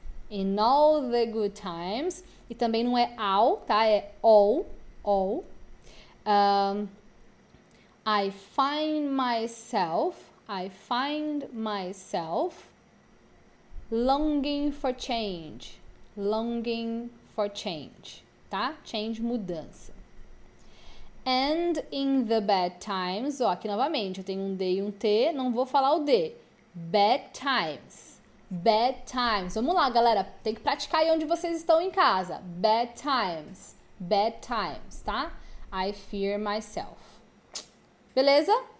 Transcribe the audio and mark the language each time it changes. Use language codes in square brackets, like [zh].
[en] In all the good times, [pt] e também não é all, tá? É all, all. [en] I find myself, I find myself longing for change, longing for change, tá? Change, mudança. And in the bad times, [pt] ó, aqui novamente, eu tenho um D e um T, não vou falar o D. [en] Bad times. Bad times. [pt] Vamos lá, galera. Tem que praticar aí onde vocês estão em casa. [en] Bad times. Bad times, tá? I fear myself. Beleza?